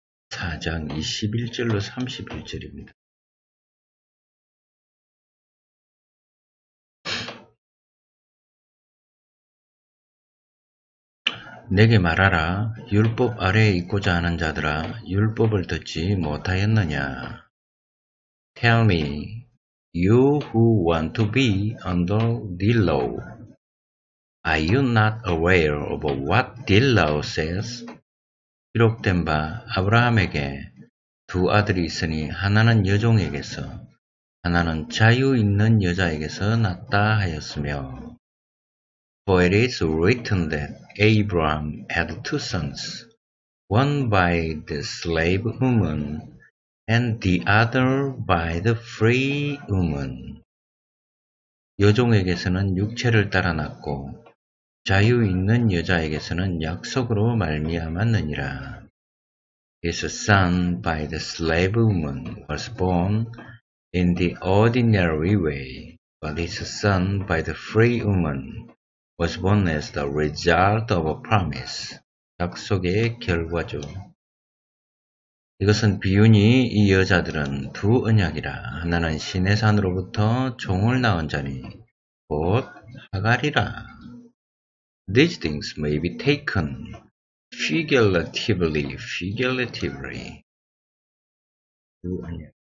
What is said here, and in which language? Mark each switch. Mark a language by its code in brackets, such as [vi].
[ko] 4장 21절로 31절입니다. 내게 말하라. 율법 아래에 있고자 하는 자들아, 율법을 듣지 못하였느냐? [en] Tell me, you who want to be under the law, are you not aware of what the law says? [ko] 기록된 바 아브라함에게 두 아들이 있으니 하나는 여종에게서 하나는 자유 있는 여자에게서 낳다 하였으며, [en] For it is written that Abraham had two sons, one by the slave woman, and the other by the free woman. [ko] 여종에게서는 육체를 따라 낳고 자유 있는 여자에게서는 약속으로 말미암았느니라. [en] His son by the slave woman was born in the ordinary way, but his son by the free woman was born as the result of a promise. [ko] 약속의 결과죠. 이것은 비유니 이 여자들은 두 언약이라. 하나는 신의 산으로부터 종을 낳은 자니 곧 하갈이라. [en] These things may be taken figuratively. [ko] 두 언약.